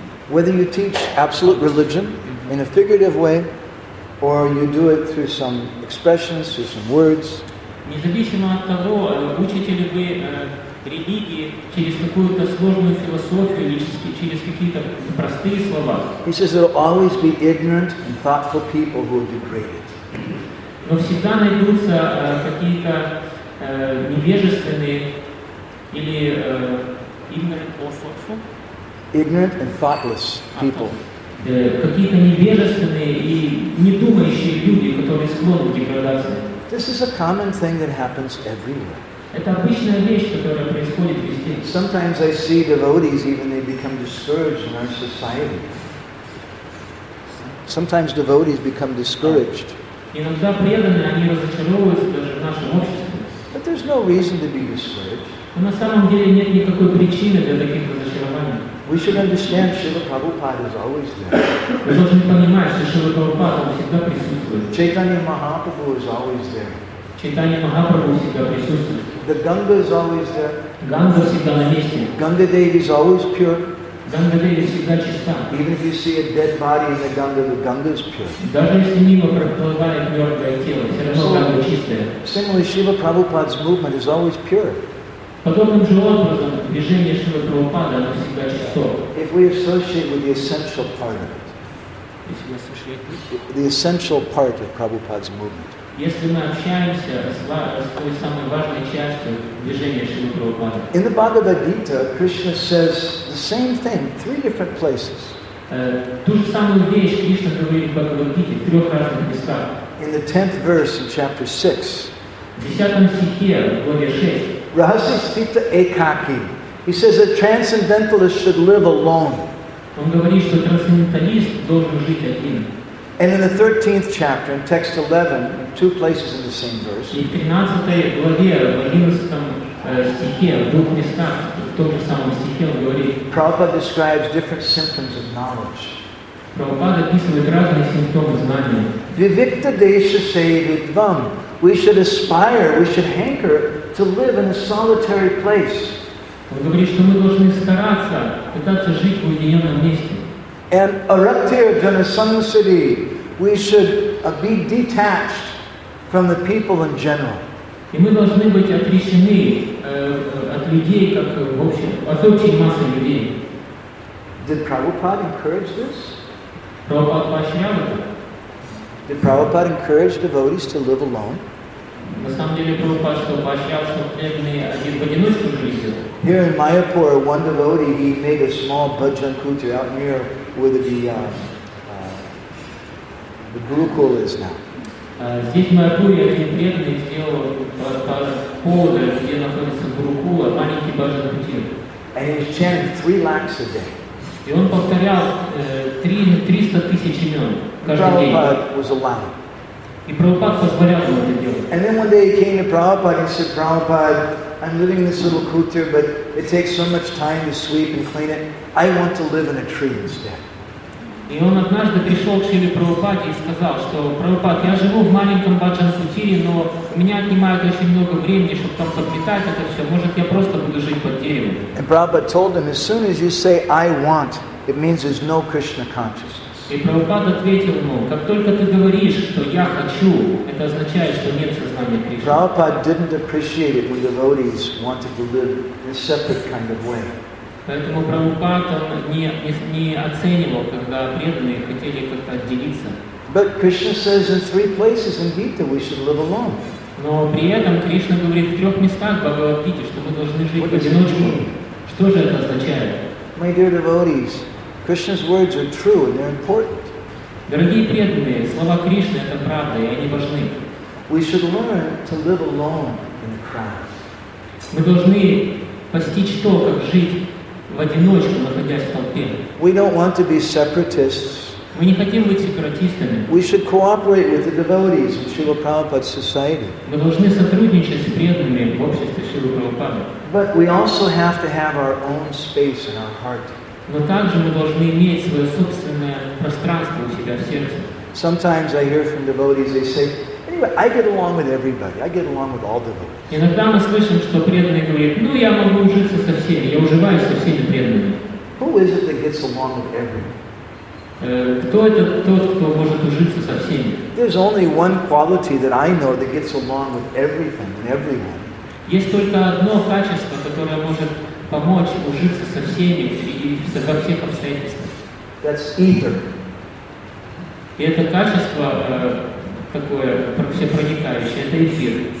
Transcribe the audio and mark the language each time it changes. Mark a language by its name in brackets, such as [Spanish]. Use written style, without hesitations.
[English] whether you teach absolute religion in a figurative way or you do it through some expressions, through some words. [Russian] Независимо от того, учите ли вы религии через какую-то сложную философию или через какие-то простые слова. [English] He says there will always be ignorant and thoughtful people who will degrade it. [Russian] Но всегда найдутся какие-то невежественные или [English] ignorant or thoughtful. Ignorant and thoughtless people. [Russian] Какие-то невежественные и недумающие люди, которые склонны к деградации. [English] This is a common thing that happens everywhere. [Russian] Это обычная вещь, которая происходит везде. [English] Sometimes I see devotees, even they become discouraged in our society. Sometimes devotees become discouraged. [Russian] Иногда преданные, они разочаровываются даже в нашем обществе. [English] But there's no reason to be discouraged. [Russian] Но на самом деле нет никакой причины для таких разочарований. [English] We should understand Śrīla Prabhupāda is always there. [Russian] Вы должны понимать, что Śrīla Prabhupāda всегда присутствует. [English] Chaitanya Mahāprabhu is always there. [Russian] Chaitanya Mahāprabhu всегда присутствует. [English] The Ganga is always there. [Russian] Ганга всегда на месте. [English] Ганга Деви is always pure. [Russian] Ганга Деви всегда чиста. [English] Even if you see a dead body in the Ganga, the Ganga is pure. [Russian] Даже если мимо проплывает мертвое тело, все равно Ганга чистая. [English] Similarly, Śrīla Prabhupāda's movement is always pure. [Russian] Подобным же образом, движение Шрилы Прабхупады, оно всегда чисто. [English] If we associate with the essential part of it, the essential part of Prabhupada's movement, [Russian] если мы общаемся с той самой важной частью движения Шрилы Прабхупады, [English] in the Bhagavad Gita, Krishna says the same thing, three different places. [Russian] Ту же самую вещь Кришна говорит в Бхагавад-гите в трех разных местах. [English] In the 10th verse in chapter 6, [Russian] в 10 стихе, в главе 6, [Sanskrit] Rahasya Sthita Ekaki. [English] He says that transcendentalists should live alone. [Russian] Он говорит, что трансценденталист должен жить один. [English] And in the 13th chapter, in text 11, in two places in the same verse. [Russian] И в 13 главе, в 11 стихе, в двух местах, в том же самом стихе, он говорит. [English] Prabhupada describes different symptoms of knowledge. [Russian] Prabhupada описывает разные симптомы знания. [Sanskrit] Vivikta Desha Sevidvam. [English] We should aspire, we should hanker to live in a solitary place. [Russian] Он говорит, что мы должны стараться, пытаться жить в уединенном месте. [English] And [Sanskrit] Arattya Janasamsiddhi, [English] we should be detached from the people in general. [Russian] И мы должны быть отрешены от людей, как в общем, от общей массы людей. [English] Did Prabhupada encourage this? [Russian] Prabhupada поощрял это. [English] Did Prabhupada encourage devotees to live alone? [Russian] На самом деле Прабхупада что поощрял, что преданные один в одиночку жили. [English] Here in Mayapur, one devotee, he made a small bhajan kutir out near where the gurukul is now. [Russian] Здесь в Майяпуре один преданный сделал поле, где находится гурукул, маленький bhajan kutir. [English] And he was chanting 3 lakhs a day. [Russian] И он повторял 300 тысяч имен каждый день. [English] Prabhupada was alone. [Russian] И Прабхупад позволял ему это делать. [English] And then one day he came to Prabhupada and said, Prabhupada, I'm living in this little kutir, but it takes so much time to sweep and clean it. I want to live in a tree instead. [Russian] И он однажды пришел к Шриле Прабхупаде и сказал, что «Прабхупад, я живу в маленьком Баджан-Кутире, но у меня отнимает очень много времени, чтобы там подпитать это все. Может, я просто буду жить под деревом?» [English] И Прабхупад told him, as soon as you say «I want», it means there's no Krishna consciousness. [Russian] И Прабхупад ответил ему, как только ты говоришь, что «я хочу», это означает, что нет сознания Кришны. [English] Прабхупад didn't appreciate it when devotees wanted to live in a separate kind of way. [Russian] Поэтому Прабхупад не оценивал, когда преданные хотели как-то отделиться. [English] But Krishna says in three places in Gita we should live alone. [Russian] Но при этом Кришна говорит в трех местах в Бхагавад-гите, что мы должны жить в одиночку. Что же это означает? [English] My dear devotees, Krishna's words are true and they're important. [Russian] Дорогие преданные, слова Кришны это правда, и они важны. [English] We should learn to live alone in the crowd. [Russian] Мы должны постичь то, как жить в одиночку, находясь в толпе. [English] We don't want to be separatists. [Russian] Мы не хотим быть сепаратистами. [English] We should cooperate with the devotees in Srila Prabhupada's society. [Russian] Мы должны сотрудничать с преданными в обществе Шрилы Прабхупады. [English] But we also have to have our own space in our heart. [Russian] Но также мы должны иметь свое собственное пространство у себя в сердце. [English] Sometimes I hear from devotees, they say, anyway, I get along with everybody. I get along with all devotees. [Russian] Иногда мы слышим, что преданные говорят, ну я могу ужиться со всеми, я уживаюсь со всеми преданными. [English] Who is it that gets along with everybody? [Russian] Кто это тот, кто может ужиться со всеми? [English] There's only one quality that I know that gets along with everything and everyone. [Russian] Есть только одно качество, которое может помочь ужиться со всеми и во всех обстоятельствах. [English] That's ether. [Russian] И это качество такое всепроникающее, это эфир.